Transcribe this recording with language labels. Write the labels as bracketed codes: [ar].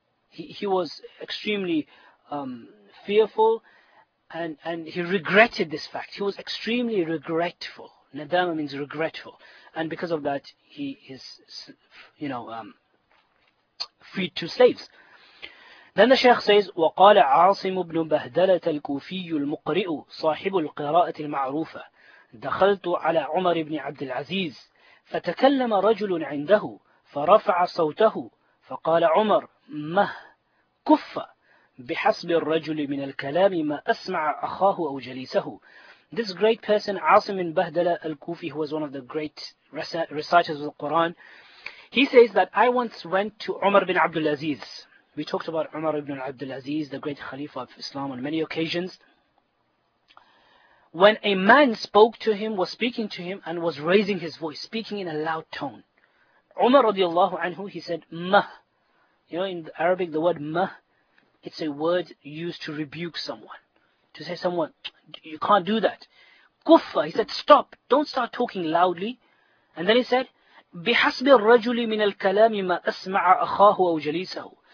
[en] He was extremely fearful and he regretted this fact. He was extremely regretful. Nadama means regretful. And because of that, he is, you know, freed two slaves. Then the Shaykh says, [ar] وَقَالَ عَاصِمُ بْنُ بَهْدَلَةَ الْكُوفِيُّ الْمُقْرِئُ صَاحِبُ الْقِرَاءَةِ الْمَعْرُوفَةِ دَخَلْتُ عَلَى عُمَرِ بْنِ عَبْدِ الْعَزِيزِ فَتَكَلَّمَ رَجُلٌ عِنْدَهُ فَرَفَعَ صَوْتَهُ فَقَالَ عُمَرْ مَهْ كُفَّ بِحَسْبِ الرَّجُلِ مِنَ الْكَلَامِ مَا أَسْمَعَ أَخَاهُ أَوْ جَلِيسَهُ. [en] This great person, Asim bin Bahdala al-Kufi, who was one of the great reciters of the Quran, he says that I once went to Umar bin Abdul Aziz. We talked about Umar ibn Abdul Aziz, the great Khalifa of Islam, on many occasions. When a man spoke to him, was speaking to him, and was raising his voice, speaking in a loud tone, Umar radiallahu anhu, he said, مَهْ. You know, in Arabic, the word mah, it's a word used to rebuke someone. To say someone, you can't do that. Kuffa, he said, stop, don't start talking loudly. And then he said, [ar] بِحَسْبِ الرَّجُلِ مِنَ الْكَلَامِ مَا أَسْمَعَ أَخَاهُ أَوْ جَلِيسَهُ.